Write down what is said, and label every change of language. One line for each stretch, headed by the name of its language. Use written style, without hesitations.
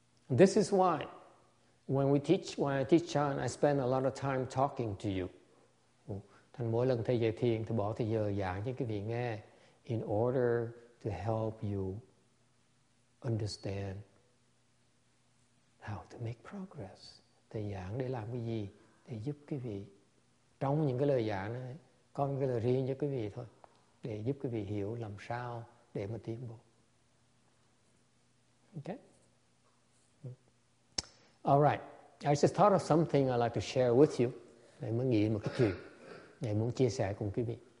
English: This is why when I teach chan, I spend a lot of time talking to you.
Vietnamese: Thành mỗi lần thầy dạy thiền, thầy bỏ thời giờ giảng cho quý vị nghe,
English: in order to help you understand how to make progress.
Vietnamese: Thầy giảng để làm cái gì? Để giúp quý vị. Trong những cái lời giảng này, có những cái lời riêng cho quý vị thôi. Để giúp quý vị hiểu làm sao để mà tiến bộ.
English: Okay? All right. I just thought of something I'd like to share with you.
Vietnamese: Để mới nghĩ một cái chuyện. Để muốn chia sẻ cùng quý vị.